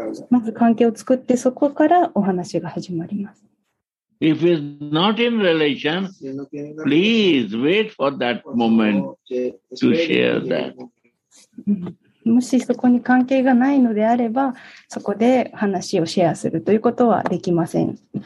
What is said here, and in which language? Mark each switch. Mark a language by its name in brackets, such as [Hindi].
[Japanese] まず関係を作ってそこからお話が始まります。 [English] If he's not in relation, please wait for that moment to share that. [Japanese] もしそこに関係がないのであれば、そこで話をシェアするということはできません。